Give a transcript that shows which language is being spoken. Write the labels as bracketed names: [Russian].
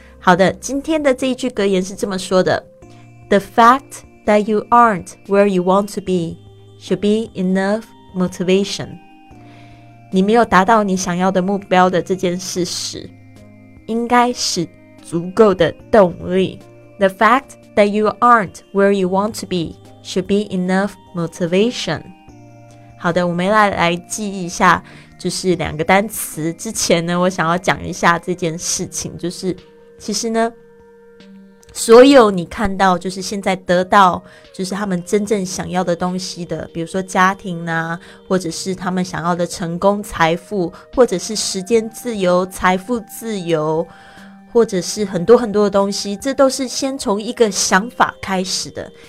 [Chinese] 好的，今天的这一句格言是这么说的， [English] The fact that you aren't where you want to be should be enough motivation. [Chinese] 你没有达到你想要的目标的这件事实应该是足够的动力。 [English] The fact that you aren't where you want to be should be enough motivation. [Chinese] 好的，我们来记一下就是两个单词之前呢，我想要讲一下这件事情，就是其实呢，所有你看到就是现在得到就是他们真正想要的东西的，比如说家庭啊，或者是他们想要的成功、财富，或者是时间自由、财富自由，或者是很多很多的东西，这都是先从一个想法开始的。